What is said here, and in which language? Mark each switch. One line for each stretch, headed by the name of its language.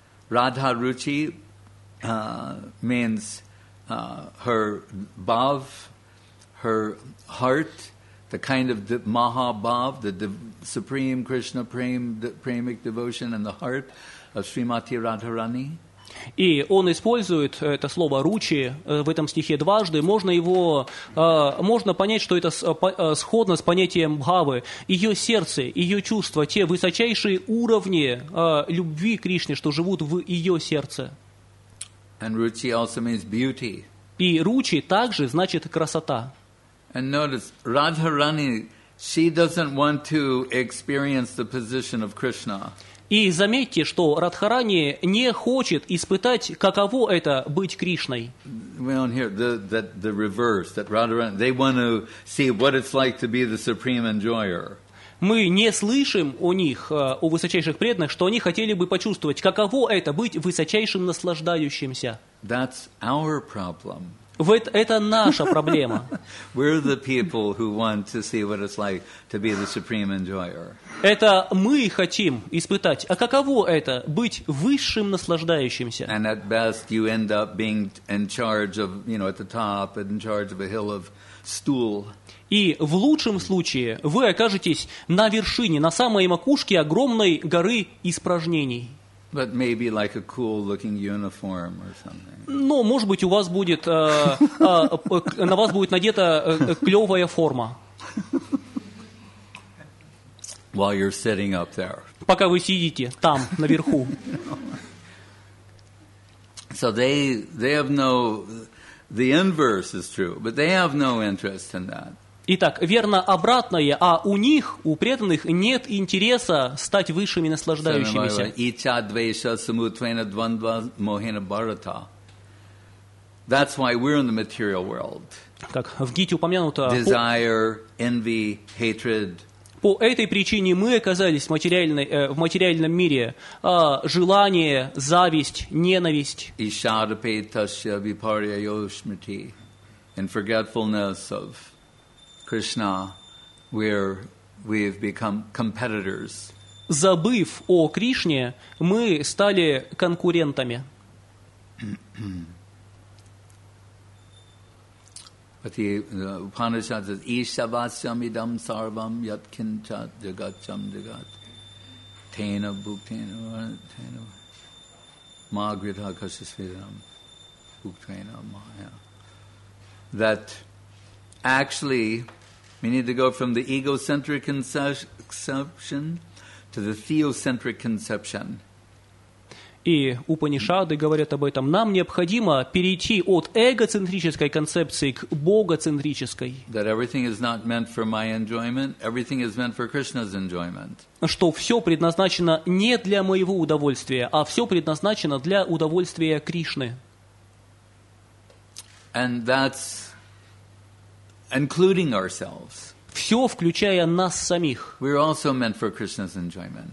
English: Radha Ruchi means her bhav, her heart, the kind of mahabhav, the supreme Krishna prem, the premic devotion and the heart of Srimati Radharani.
Russian: И он использует это слово «ручи» в этом стихе дважды. Можно его, можно понять, что это сходно с понятием «бхавы». Ее сердце, ее чувства, те высочайшие уровни любви к Кришне, что живут в ее сердце.
English: And ruchi also means beauty.
Russian: И «ручи» также значит «красота».
English: And notice, Radharani, she doesn't want to experience the position of Krishna.
Russian: И заметьте, что Радхарани не хочет испытать, каково это быть Кришной.
English: We don't hear the reverse, that Radharani, they want to see what it's like to be the supreme enjoyer.
Russian: Мы не слышим у них, у высочайших преданных, что они хотели бы почувствовать, каково это быть высочайшим наслаждающимся.
English: That's our problem.
Russian: Это наша проблема.
English: We're the people who want to see what it's like to be the supreme enjoyer.
Russian: Это мы хотим испытать. А каково это быть высшим наслаждающимся?
English: And at best, you end up being in charge of, you know, at the top, in charge of a hill of stool.
Russian: И в лучшем случае вы окажетесь на вершине, на самой макушке огромной горы испражнений.
English: But maybe like a cool-looking uniform or something.
Russian: Но, может быть, у вас будет на вас будет надета клевая форма.
English: While you're sitting up there.
Russian: Пока вы сидите там наверху.
English: So they have no, the inverse is true, but they have no interest in that.
Russian: Итак, верно обратное, а у них, у преданных, нет интереса стать высшими наслаждающимися.
Sanskrit: Ича двейша самутвена двандва мохена барата.
English: That's why we're in the material world.
Russian: Как в Гите упомянуто.
English: Desire, envy, hatred.
Russian: По этой причине мы оказались в материальном мире. Желание, зависть, ненависть.
Sanskrit: Ишарапетасья випарья йошмити.
English: And forgetfulness of Krishna, where we've become competitors.
Russian: Забыв о Кришне, мы стали конкурентами.
English: But the Upanishad says,
Sanskrit: "Ishavasyam idam sarvam yat kinchat jagat cham jagat tena buktena tena magritha kashasvidam buktena maya."
English: That actually, we need to go from the egocentric conception to the theocentric conception.
Russian: И Упанишады говорят об этом. Нам необходимо перейти от эгоцентрической концепции к богоцентрической.
English: That everything is not meant for my enjoyment, everything is meant for Krishna's enjoyment.
Russian: Что все предназначено не для моего удовольствия, а все предназначено для удовольствия Кришны.
English: And that's including ourselves.
Russian: Все, включая нас самих.
English: We're also meant for Krishna's enjoyment.